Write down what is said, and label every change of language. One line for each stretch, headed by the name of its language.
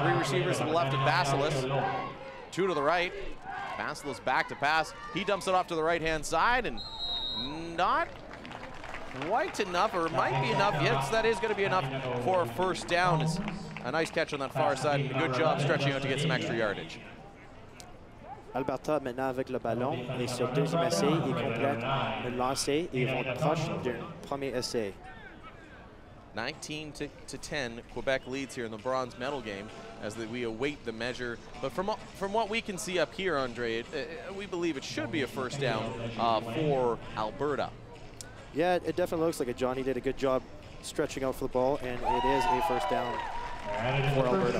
English: Three receivers to the left of Basilis. Two to the right. Basilis back to pass. He dumps it off to the right-hand side and not quite enough, or might be enough. Yes, that is going to be enough for a first down. It's a nice catch on that far side and a good job stretching out to get some extra yardage.
French: Alberta maintenant avec le ballon et sur deuxième essai, il complète le lancer et ils vont proche du premier essai.
English: 19-10, Quebec leads here in the bronze medal game as we await the measure. But from what we can see up here, Andre, we believe it should be a first down for Alberta. Yeah, it definitely looks like it, John. He did a good job stretching out for the ball, and it is a first down for Alberta.